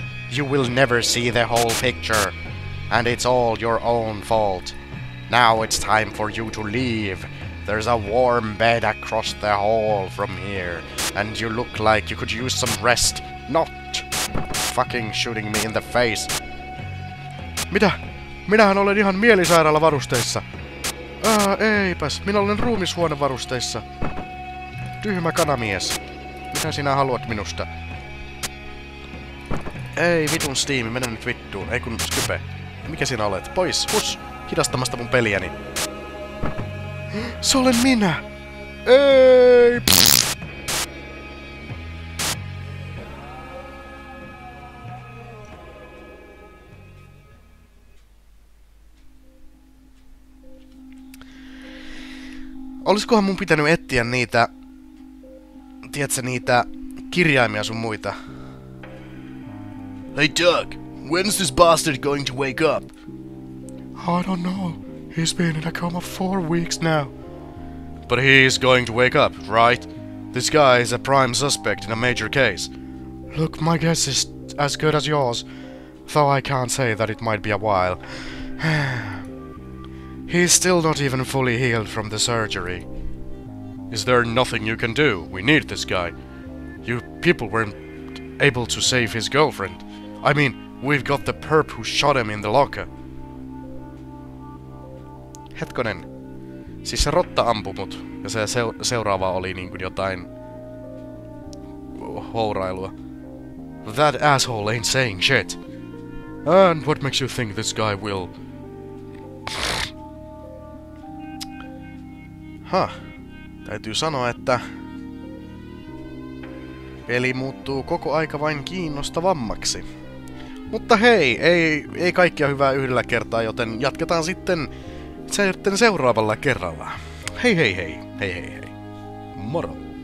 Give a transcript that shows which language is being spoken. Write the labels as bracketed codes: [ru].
[en] You will never see the whole picture. And it's all your own fault. Now it's time for you to leave. There's a warm bed across the hall from here. And you look like you could use some rest. Not fucking shooting me in the face. [fi] Mitä? Minähän olen ihan mielisairaalavarusteissa. Eipäs. Minä olen ruumishuonevarusteissa. Tyhmä kanamies. Mitä sinä haluat minusta? Ei, vitun Steam. Mene nyt vittuun. Ei kun Skype. Mikä sinä olet? Pois. Hus. Hidastamasta mun peliäni. Se olen minä. Ei. Pst. Olisikohan mun pitänyt etsiä niitä, tiedätkö, niitä kirjaimia sun muita? [en] Hey Doug, when's this bastard going to wake up? I don't know. He's been in a coma 4 weeks now. But he's going to wake up, right? This guy is a prime suspect in a major case. Look, my guess is as good as yours, though I can't say that it might be a while. He's still not even fully healed from the surgery. Is there nothing you can do? We need this guy. You people weren't able to save his girlfriend. I mean, we've got the perp who shot him in the locker. [fi] Hetkonen. Siis se rotta ampui mut, ja se seuraava oli niinku jotain hourailua. [en] That asshole ain't saying shit. And what makes you think this guy will... Huh. [fi] Täytyy sanoa, että peli muuttuu koko aika vain kiinnostavammaksi. Mutta hei, ei kaikkia hyvää yhdellä kertaa, joten jatketaan sitten seuraavalla kerralla. Hei hei hei, hei hei hei. Moro.